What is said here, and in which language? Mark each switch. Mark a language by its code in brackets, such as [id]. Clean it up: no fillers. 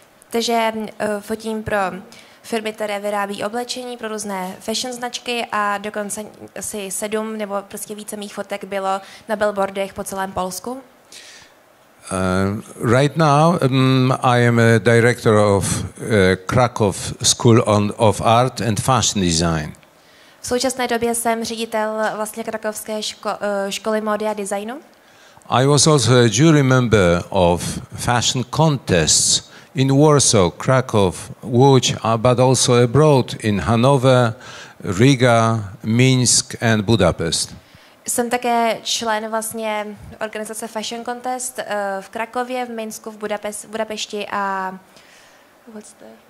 [cs] Takže fotím pro firmy, které vyrábí oblečení, pro různé fashion značky a dokonce asi 7 nebo prostě více mých fotek bylo na billboardech po celém Polsku. [en] Right now I am a director of Krakow School of Art and Fashion Design. [cs] V současné době jsem ředitel vlastně krakovské školy módy a designu. [en] I was also a jury member of fashion contests in Warsaw, Krakow, Łódź, but also abroad in Hanover, Riga, Minsk and Budapest. [cs] Jsem také člen vlastně organizace Fashion Contest v Krakově, v Minsku, v Budapešti a [en] what's the...